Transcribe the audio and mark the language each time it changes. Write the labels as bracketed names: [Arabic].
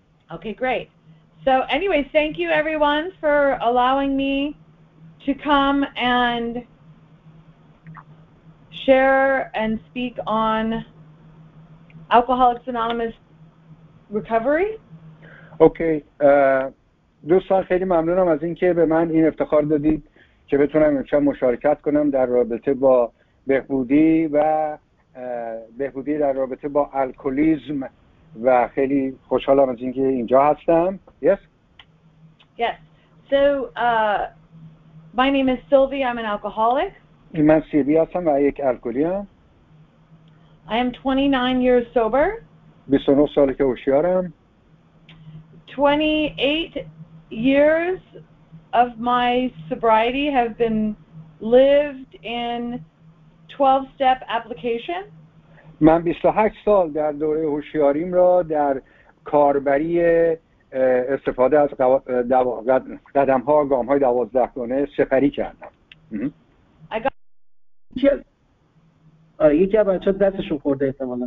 [English] Okay, great. So anyway, thank you everyone for allowing me to come and share and speak on Alcoholics Anonymous recovery. Okay. [Persian] دوستان خیلی ممنونم از اینکه به من این افتخار دادید که بتونم امشب مشارکت کنم در رابطه با بهبودی و بهبودی در رابطه با الکلیسم و خیلی خوشحالم از اینکه اینجا هستم. [English] Yes. Yes. So my name is Sylvie. I'm an alcoholic. [Persian] من سیلوی هستم و یک الکلی هم. [English] I am 29 years sober. [Persian] 29 ساله که هوشیارم. [English] 28 years of my sobriety have been lived in 12-step application. [Persian] من 28 سال در دوره هوشیاریم را در کاربری استفاده از قدم ها گام های 12 گانه سپری کردم. یکی از بچه ها دستشون خورده احتمالا.